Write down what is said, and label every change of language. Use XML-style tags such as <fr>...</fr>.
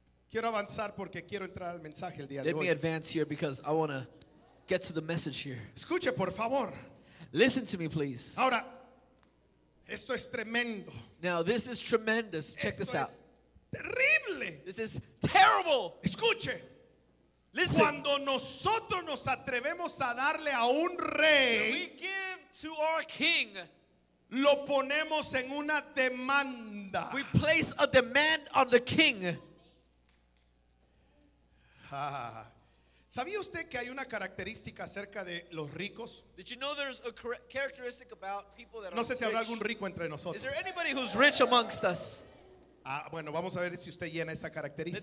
<es>Quiero avanzar porque quiero entrar al mensaje el día de hoy.</es> <en>Let me advance here because I want to get to the message here.</en> <es>Escuche, por favor.</es> <en>Listen to me, please.</en> <es>Ahora, esto es tremendo.</es> <en>Now, this is tremendous. Check</en> <es>esto</es> <en>this out.</en> <es>Terrible.</es> <en>This is terrible.</en> <es>Escuche.</es> <en>Listen.</en> <es>Cuando nosotros nos atrevemos a darle a un rey,</es> <en>we give to our king,</en> <es>lo ponemos en una demanda.</es> <en>We place a demand on the king.</en> <es>¿Sabía usted que hay una característica acerca de los ricos?</es> <en>Did you know there's a characteristic about people that are</en> <es>no sé si Habrá algún rico entre nosotros.</es> <en>Is there anybody who's rich amongst us?</en> <es>Bueno, vamos a ver si usted llena esta característica.</es>